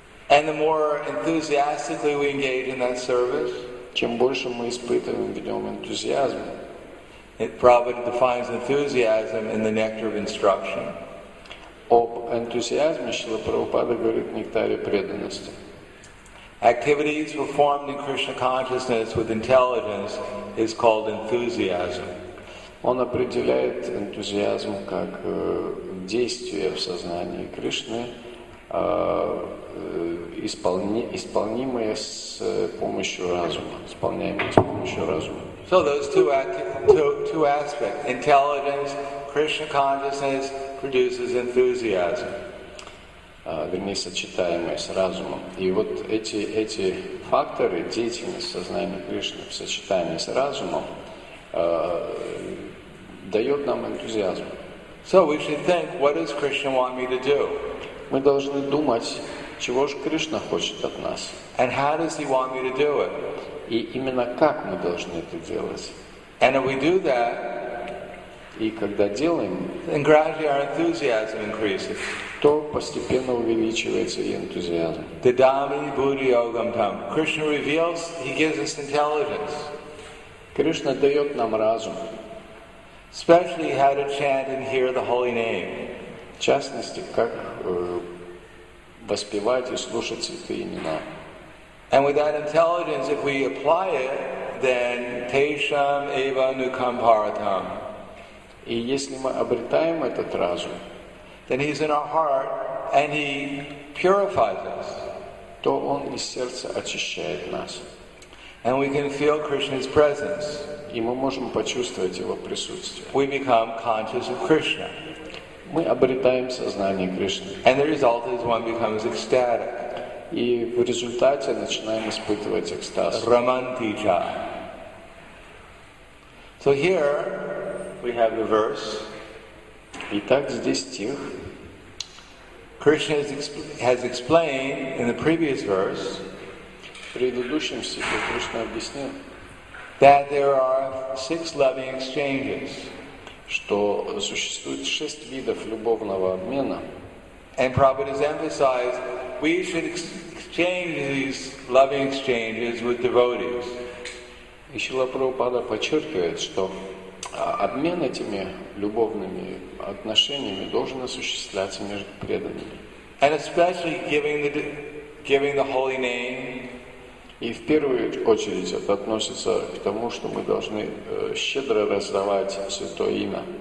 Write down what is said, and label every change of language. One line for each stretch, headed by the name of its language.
English: and the more enthusiastically we engage in that service,
Russian: чем больше мы испытываем в нем энтузиазм,
English: it probably defines enthusiasm in the nectar of instruction.
Russian: Об энтузиазме Шрила Прабхупада говорит в нектаре преданности.
English: Activities performed in Krishna consciousness with intelligence is called enthusiasm.
Russian: Он определяет энтузиазм как действие в сознании Кришны, исполнимое с помощью разума, исполняемое с помощью разума.
English: So those two aspects, intelligence, Krishna consciousness, produces enthusiasm.
Russian: Вернее, сочетаемое с разумом. И вот эти факторы, деятельность сознания Кришны в сочетании с разумом, дает нам энтузиазм.
English: So we should think, what does Krishna want me to do?
Russian: Мы должны думать, чего же Кришна хочет от нас.
English: And how does he want me to do it?
Russian: И именно как мы должны это делать.
English: And if we do that,
Russian: и когда делаем,
English: then gradually our enthusiasm increases.
Russian: То постепенно увеличивается и энтузиазм.
Sanskrit: The Dhammi Buddhi Yogam Tam.
English: Krishna reveals, he gives us intelligence.
Russian: Кришна дает нам разум.
English: Especially how to chant and hear the holy name.
Russian: В частности, как воспевать и слушать святые имена.
English: And with that intelligence, if we apply it, then
Sanskrit: Tesham Eva Nukam Paratam.
Russian: И если мы обретаем этот разум,
English: then he's in our heart and he purifies us.
Russian: То он из сердца очищает нас.
English: And we can feel Krishna's presence.
Russian: И мы можем почувствовать его присутствие.
English: We become conscious of Krishna.
Russian: Мы обретаем сознание Кришны.
English: And the result is one becomes ecstatic.
Russian: И в результате начинаем испытывать экстаз. Романтича.
English: So here we have the verse.
Russian: Итак, здесь стих.
English: Krishna has explained in the previous verse.
Russian: В предыдущем стихе Кришна объяснил,
English: that there are six loving exchanges,
Russian: что существует шесть видов любовного обмена.
English: And Prabhupada has emphasized, we should exchange these loving exchanges with devotees.
Russian: И Шрила Прабхупада подчеркивает, что обмен этими любовными отношениями должен осуществляться между преданными.
English: And especially giving the holy name.
Russian: И в первую очередь это относится к тому, что мы должны щедро раздавать Святое Имя.